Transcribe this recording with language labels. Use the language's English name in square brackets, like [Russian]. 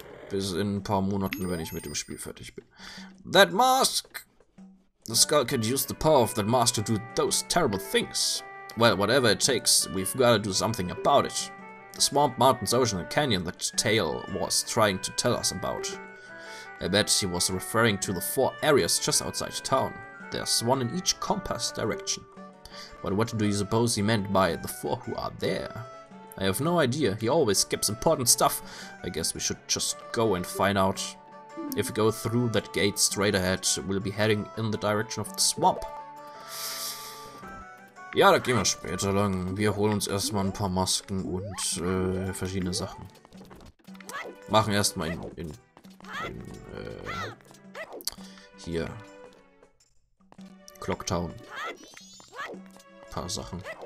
[German] Bis in ein paar Monaten, wenn ich mit dem Spiel fertig bin. [English] That mask! The Skull could use the power of that mask to do those terrible things. Well, whatever it takes, we've gotta do something about it. The swamp, mountains, ocean and canyon that Tail was trying to tell us about. I bet he was referring to the four areas just outside town. There's one in each compass direction. But what do you suppose he meant by the four who are there? I have no idea, he always skips important stuff. I guess we should just go and find out. If we go through that gate straight ahead, we'll be heading in the direction of the swamp. [German] Ja, da gehen wir später lang. Wir holen uns erstmal ein paar Masken und verschiedene Sachen. Machen erstmal hier. Clocktown. Ein paar Sachen.